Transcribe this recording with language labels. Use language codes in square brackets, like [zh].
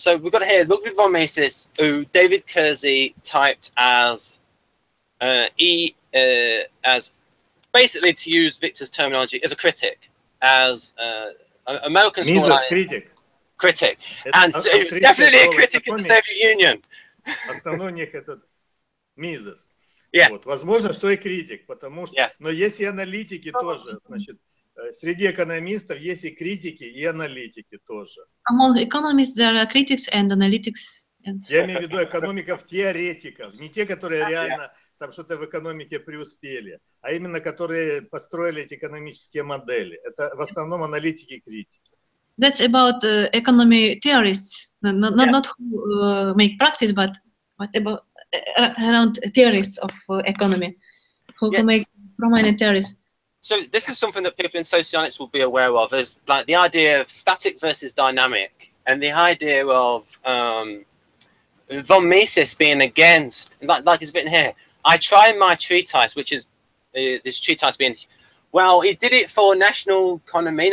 [en] So we've got here Ludwig von Mises, who David Kersey typed as as basically, to use Victor's terminology, as a critic, as American Mises, scholar. Critic. Critic. And so he was definitely a critic of the Soviet Union. [ru] Основной у них этот Мизес. [en] Yeah. [ru] Вот. Возможно, что и критик, потому что... [en] Yeah. [ru] Но есть и аналитики тоже, значит... Среди экономистов есть и критики, и аналитики тоже. [en] Among economists there are critics and analytics. [ru] Я имею в виду экономиков-теоретиков, не те, которые реально там что-то в экономике преуспели, а именно которые построили эти экономические модели. Это в основном аналитики и критики. [en] That's about economy theorists, not who make practice, but about around theorists of economy, who make prominent theories. So this is something that people in SOCIONICS will be aware of, is like the idea of static versus dynamic, and the idea of von Mises being against, like it's written here, I try my treatise, which is this treatise being, well, he did it for national economy.